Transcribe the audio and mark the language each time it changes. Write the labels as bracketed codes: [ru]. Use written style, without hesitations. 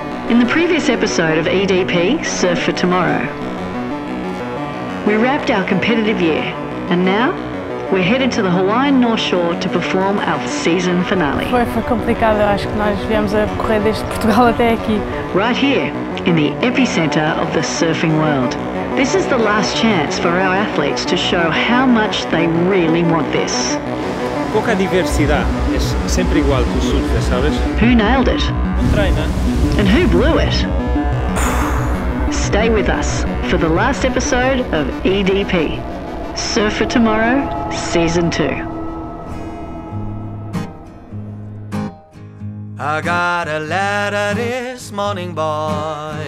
[en] In the previous episode of EDP, Surf for Tomorrow, we wrapped our competitive year, and now we're headed to the Hawaiian North Shore to perform our season finale. [pt] Foi complicado, acho que nós viemos a correr desde Portugal até aqui. [en] Right here, in the epicenter of the surfing world. This is the last chance for our athletes to show how much they really want this. [pt] Pouca diversidade, é sempre igual com o surf, sabes? [en] Who nailed it? And who blew it? Stay with us for the last episode of EDP. Surf for Tomorrow, Season 2. I got a letter this morning, boy.